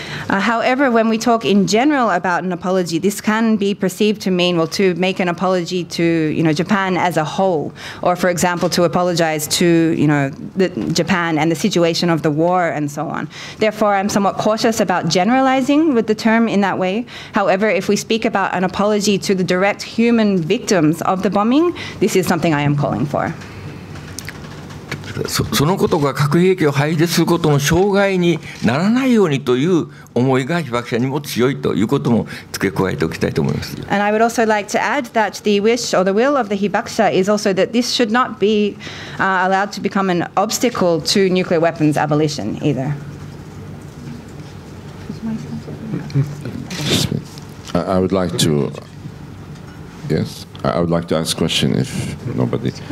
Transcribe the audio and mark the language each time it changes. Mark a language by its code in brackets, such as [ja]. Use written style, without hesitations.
[en] However, when we talk in general about an apology, this can be perceived to mean, well, to make an apology to, you know, Japan as a whole, or for example, to apologize to, you know, Japan and the situation of the war and so on. Therefore, I'm somewhat cautious about generalizing with the term in that way. However, if we speak about an apology to the direct human victims of the bombing, this is something I am calling for. [ja] そのことが核兵器を廃絶することの障害にならないようにという思いが被爆者にも強いということも付け加えておきたいと思います。 [en] And I would also like to add that the wish or the will of the Hibakusha is also that this should not be allowed to become an obstacle to nuclear weapons abolition either. I would like to, yes, I would like to ask a question if nobody.